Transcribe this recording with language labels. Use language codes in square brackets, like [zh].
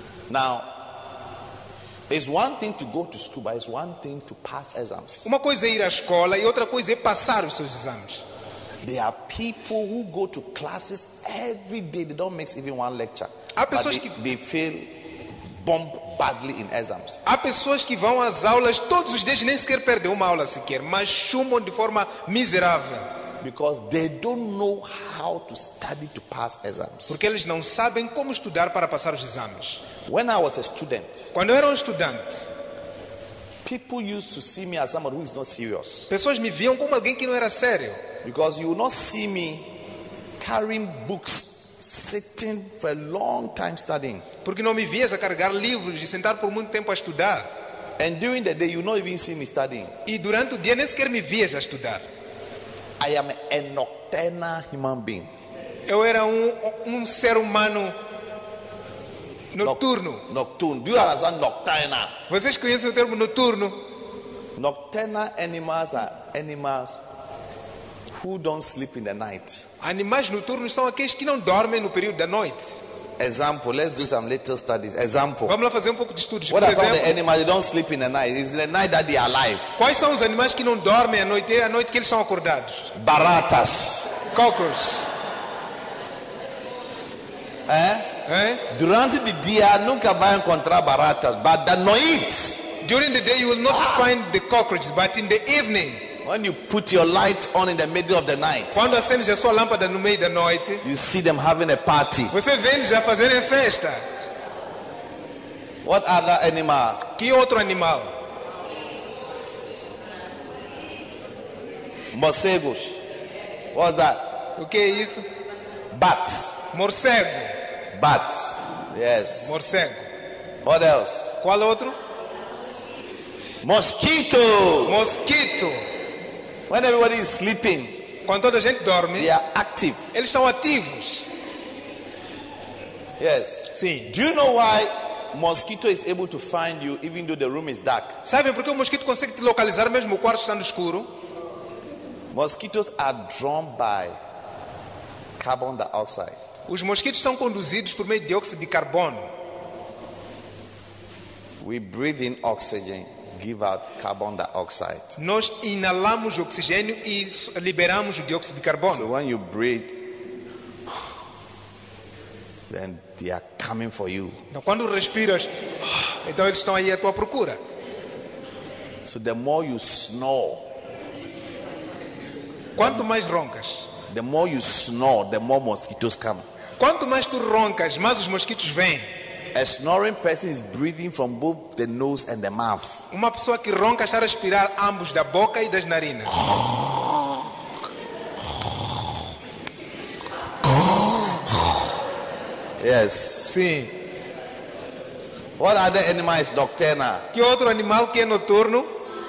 [en] Now, it's one thing to go to school, but it's one thing to pass exams. [pt] Uma coisa é ir à escola e outra coisa é passar os seus exames. [en] There are people who go to classes every day. They don't miss even one lecture. [pt] Há pessoas [en] but they fail bomb badly in exams. [pt] Há pessoas que vão às aulas todos os dias e nem sequer perdem uma aula sequer, mas chumam de forma miserável. [en] Because they don't know how to study to pass exams. [pt] Porque eles não sabem como estudar para passar os exames. [en] When I was a student, [pt] quando eu era estudante, [en] people used to see me as someone who is not serious. [pt] Pessoas me viam como alguém que não era sério. [en] Because you will not see me carrying books, sitting for a long time studying. [pt] Porque não me vias a carregar livros e sentar por muito tempo a estudar. [en] And during the day, you not even see me studying. [pt] E durante o dia nem sequer me vias a estudar. [en] I am a nocturnal human being. [pt] Eu era ser humano noturno. [en] Nocturnal. Do you understand nocturnal? [pt] Vocês conhecem o termo noturno? [en] Nocturnal animals are animals who don't sleep in the night. [pt] Animais noturnos são aqueles que não dormem no período da noite. [en] Example, let's do some little studies. Example. [pt] Vamos lá fazer pouco de estudos. [en] What are some of the animals that don't sleep in the night? It's the night that they are alive. [pt] Quais são os animais que não dormem à noite? É à noite que eles são acordados. Baratas. [en] Cockroaches. [pt] Durante o dia nunca vai encontrar baratas, [en] but the night. During the day you will not find the cockroaches, but in the evening. When you put your light on in the middle of the night, [pt] quando acendes a sua lâmpada no meio da noite, [en] you see them having a party. [pt] Você vê eles a fazerem festa. [en] What other animal? [pt] Que outro animal? [en] Morcegos. What's that? [pt] O que é isso? [en] Bat. [pt] Morcego. [en] Bat. Yes. [pt] Morcego. [en] What else? [pt] Qual outro? Mosquito. [en] Mosquito. When everybody is sleeping, [pt] quando toda a gente dorme, [en] they are active. [pt] Eles estão ativos. [en] Yes. [pt] Sim. [en] Do you know why mosquito is able to find you even though the room is dark? [pt] Sabe por que o mosquito consegue te localizar mesmo o quarto estando escuro? [en] Mosquitoes are drawn by carbon dioxide. [pt] Os mosquitos são conduzidos por meio de dióxido de carbono. [en] We breathe in oxygen. Give out carbon dioxide. [pt] Nós inalamos oxigênio e liberamos o dióxido de carbono. [en] So when you breathe, then they are coming for you. [pt] Então quando respiras, então eles estão aí à tua procura. [en] So the more you snore, [pt] quanto mais roncas, [en] the more you snore, the more mosquitoes come. [pt] Quanto mais tu roncas, mais os mosquitos vêm. [en] A snoring person is breathing from both the nose and the mouth. [pt] Uma pessoa que ronca está a respirar ambos da boca e das narinas. [en] Yes. [pt] Sim. [en] What other animal is nocturnal? [pt] Que outro animal que é noturno?